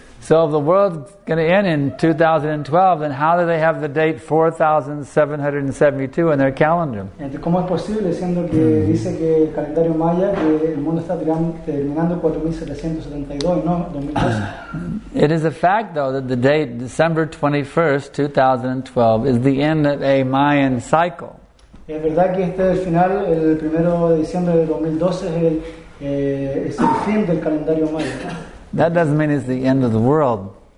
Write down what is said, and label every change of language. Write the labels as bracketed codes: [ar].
[en] So if the world's going to end in 2012, then how do they have the date 4772 in their calendar? [es] ¿Cómo es posible, siendo que dice que el calendario maya el mundo está terminando 4772 y no 2012? [en] It is a fact, though, that the date December 21st, 2012 is the end of a Mayan cycle. [es] Es verdad que este es el final, el 1 de diciembre de 2012 es el fin del calendario maya. [en] That doesn't mean it's the end of the world.